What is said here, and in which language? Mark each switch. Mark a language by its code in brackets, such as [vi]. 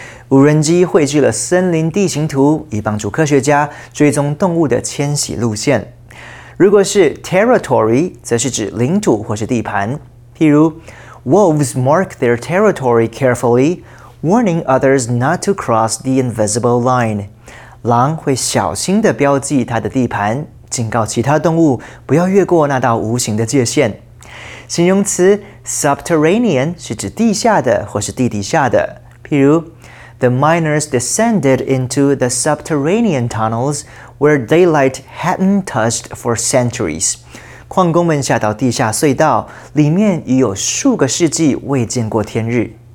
[zh] 无人机绘制了森林地形图，以帮助科学家追踪动物的迁徙路线。如果是 territory, 则是指领土或是地盘。譬如 [en] ,wolves mark their territory carefully, warning others not to cross the invisible line. [zh] 狼会小心地标记它的地盘。警告其他动物不要越过那道无形的界限。形容词 subterranean 是指地下的或是地底下的。譬如 [en] ,the miners descended into the subterranean tunnels where daylight hadn't touched for centuries. [zh] 矿工们下到地下隧道里面已有数个世纪未见过天日。